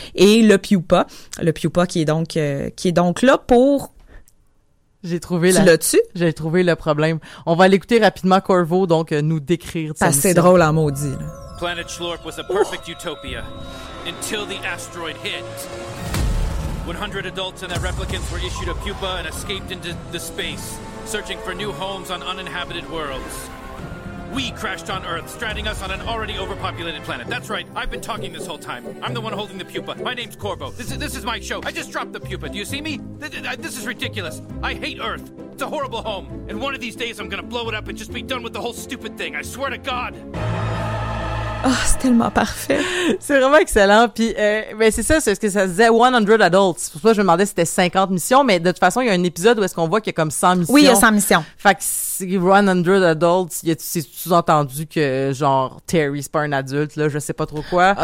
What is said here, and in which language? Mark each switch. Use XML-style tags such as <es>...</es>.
<fr>Et le Pupa qui est donc là pour... J'ai trouvé le problème. On va l'écouter rapidement, Corvo, donc nous décrire ça. C'est drôle en maudit.</fr> <en>Planète Shlorp was a perfect utopia until the asteroid hit. 100 adults and their replicants were issued a pupa and escaped into the space, searching for new homes on uninhabited worlds. We crashed on Earth, stranding us on an already overpopulated planet. That's right, I've been talking this whole time. I'm the one holding the pupa. My name's Corvo. This is my show. I just dropped the pupa. Do you see me? This is ridiculous. I hate Earth. It's a horrible home. And one of these days I'm gonna blow it up and just be done with the whole stupid thing. I swear to God.</en> <fr>Oh, c'est tellement parfait. C'est vraiment excellent. Puis, mais c'est ça, c'est ce que ça disait,</fr> <en>100 adults.</en> <fr>C'est pour ça que je me demandais si c'était 50 missions, mais de toute façon, il y a un épisode où est-ce qu'on voit qu'il y a comme 100 missions. Oui, il y a 100 missions. Fait que c'est</fr> <en>100 adults,</en> <fr>c'est sous-entendu que, genre, Terry, c'est pas un adulte, là, je sais pas trop quoi.</fr>